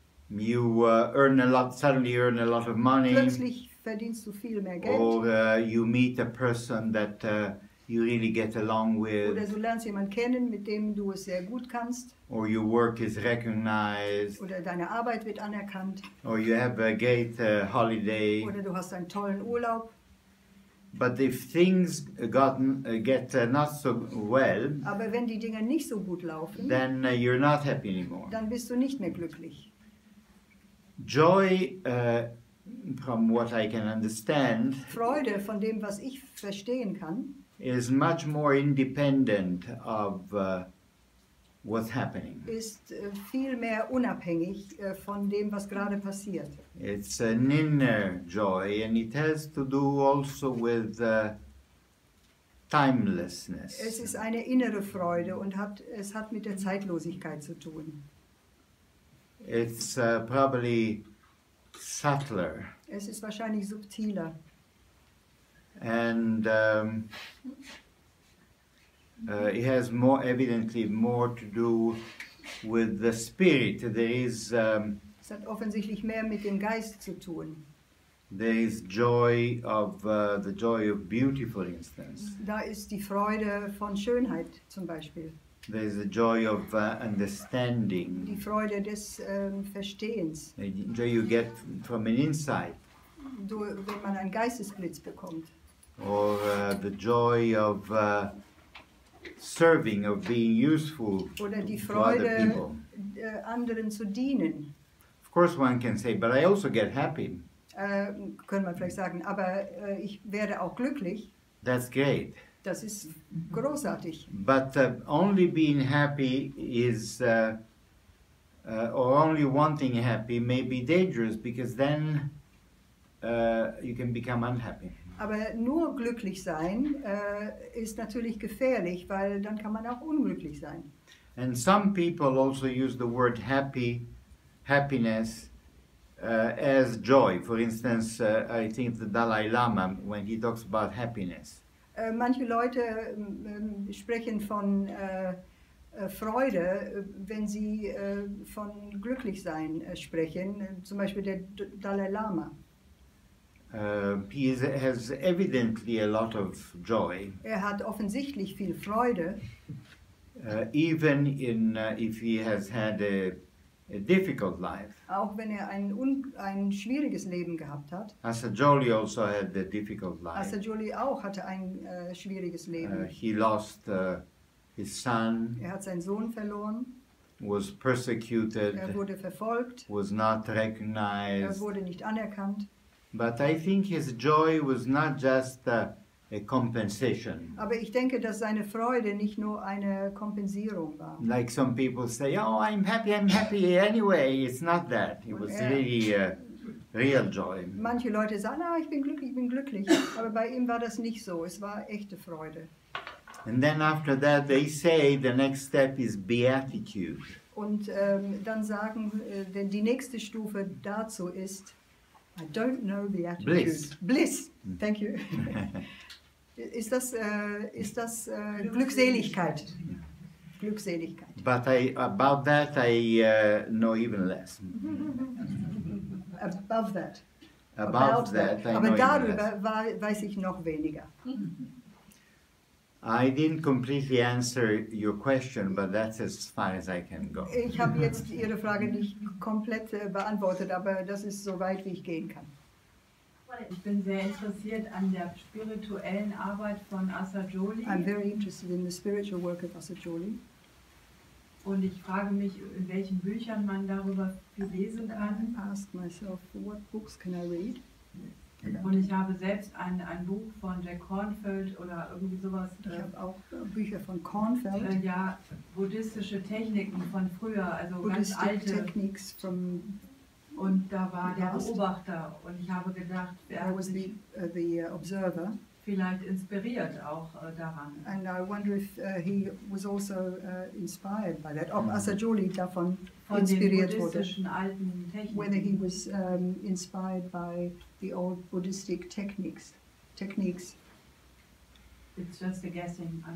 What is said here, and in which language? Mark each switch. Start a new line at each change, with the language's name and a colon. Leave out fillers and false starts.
English: You earn a lot, suddenly earn a lot of money.
German: Plötzlich verdienst du viel mehr Geld.
English: Or you meet a person that you really get along with.
German: Oder du lernst jemanden kennen, mit dem du es sehr gut kannst.
English: Or your work is recognized.
German: Oder deine Arbeit wird anerkannt.
English: Or you have a great holiday.
German: Oder du hast einen tollen Urlaub.
English: But if things get not so well,
German: aber wenn die Dinge nicht so gut laufen,
English: then you're not happy anymore.
German: Dann bist du nicht mehr glücklich.
English: Joy, from what I can understand,
German: Freude, von dem, was ich verstehen kann,
English: is much more independent of what's happening.
German: Ist viel mehr unabhängig von dem, was gerade passiert.
English: It's an inner joy, and it has to do also with timelessness.
German: Es ist eine innere Freude und es hat mit der Zeitlosigkeit zu tun.
English: It's probably subtler.
German: Es ist wahrscheinlich subtiler.
English: And it has more evidently more to do with the spirit. There is
German: es hat offensichtlich mehr mit dem Geist zu tun.
English: There is joy of the joy of beauty, for instance.
German: Da ist die Freude von Schönheit zum Beispiel.
English: There is the joy of understanding.
German: Die Freude des Verstehens.
English: The joy you get from an insight.
German: Wenn man einen Geistesblitz bekommt.
English: Or the joy of serving, of being useful to other people.
German: Oder die Freude, anderen zu dienen.
English: Of course one can say, but I also get happy.
German: Könnte man vielleicht sagen, aber ich werde auch glücklich.
English: That's great.
German: Das ist großartig.
English: But only being happy is, or only wanting happy may be dangerous, because then you can become unhappy.
German: Aber nur glücklich sein ist natürlich gefährlich, weil dann kann man auch unglücklich sein.
English: And some people also use the word happy happiness as joy. For instance, I think the Dalai Lama, when he talks about happiness.
German: Manche Leute sprechen von Freude, wenn sie von Glücklichsein sprechen, zum Beispiel der Dalai Lama.
English: He has evidently a lot of joy.
German: Er hat offensichtlich viel Freude.
English: Even if he has had a difficult life.
German: Auch wenn er ein schwieriges Leben gehabt hat.
English: Assagioli also had a difficult life.
German: Assagioli auch hatte ein schwieriges Leben.
English: He lost his son.
German: Er hat seinen Sohn verloren.
English: Was persecuted.
German: Er wurde verfolgt.
English: Was not recognized.
German: Er wurde nicht anerkannt.
English: But I think his joy was not just a compensation.
German: Aber ich denke, dass seine Freude nicht nur eine Kompensierung war.
English: Like some people say, oh, I'm happy anyway. It's not that. It was really a real joy.
German: Manche Leute sagen, ah, ich bin glücklich. Aber bei ihm war das nicht so. Es war echte Freude.
English: And then after that, they say the next step is beatitude.
German: Und dann sagen, denn die nächste Stufe dazu ist,
English: I don't know the attitude. Bliss. Thank you.
German: Ist das Glückseligkeit? Glückseligkeit.
English: But about that I know even less. About that.
German: Aber darüber weiß ich noch weniger.
English: I didn't completely answer your question, but that's as far as I can go.
German: Ich habe jetzt Ihre Frage nicht komplett beantwortet, aber das ist so weit, wie ich gehen kann. Ich bin sehr interessiert an der spirituellen Arbeit von Assagioli.
English: I'm very interested in the spiritual work of Assagioli.
German: Und ich frage mich, in welchen Büchern man darüber viel lesen kann.
English: I ask myself, what books can I read?
German: Und ich habe selbst ein Buch von Jack Kornfeld oder irgendwie sowas. Ich habe auch Bücher von Kornfeld. Ja, buddhistische Techniken von früher, also ganz alte.
English: Techniques from.
German: Und da war der Beobachter und ich habe gedacht, er hat sich
English: the observer.
German: Vielleicht inspiriert auch daran.
English: And I wonder if he was also inspired by that.
German: Ob Assagioli davon von inspiriert wurde. Von den buddhistischen alten Techniken.
English: Whether he was inspired by the old buddhistic techniques. It's just a guessing.